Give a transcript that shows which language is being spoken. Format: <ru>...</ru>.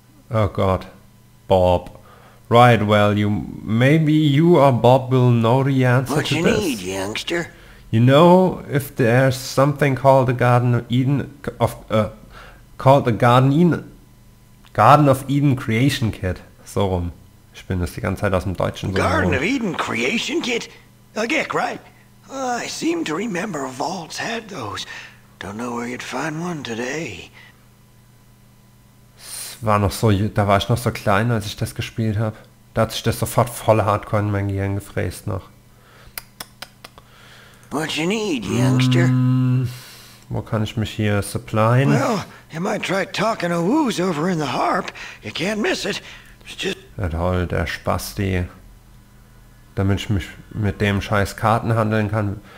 <en>Oh, God. Bob. Right, well, maybe you or Bob will know the answer to this. What you need, youngster? You know, if there's something called the Garden of Eden, Garden of Eden Creation Kit.</en> <de>So rum. Ich bin das die ganze Zeit aus dem Deutschen.</de> <en>Garden of Eden Creation Kit? A geck, right? I seem to remember Vaults had those. Don't know where you'd find one today.</en> <de>Da war ich noch so klein, als ich das gespielt habe. Da hat sich das sofort voll hardcore in mein Gehirn gefräst noch.</de> <en>What you need, youngster?</en> <de>Wo kann ich mich hier supplyen?</de> <en>Well, you might try talking a wooze over in the harp. You can't miss it. It's just...</en> <de>Toll, der Spasti. Damit ich mich mit dem scheiß Karten handeln kann.</de>